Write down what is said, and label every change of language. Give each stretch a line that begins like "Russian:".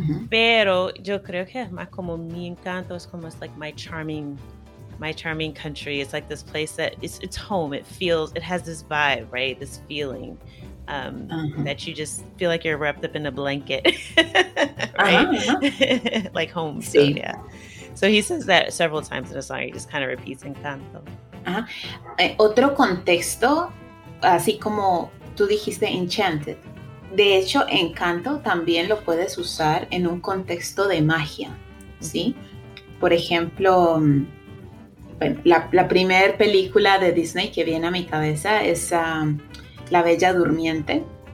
Spanish: Pero yo creo que es más como mi encanto, es como,
English: it's like my charming country. It's like this place that, it's home. It feels, it has this vibe, right, this feeling that you just feel like you're wrapped up in a blanket, right? Uh-huh. Like home, sí. So yeah. So he says that several times in a song. He just kind of repeats Encanto. Ajá.
Spanish: Otro contexto, así como tú dijiste enchanted. De hecho, Encanto también lo puedes usar en un contexto de magia, ¿sí? Por ejemplo, la primera película de Disney que viene a mi cabeza es La Bella Durmiente.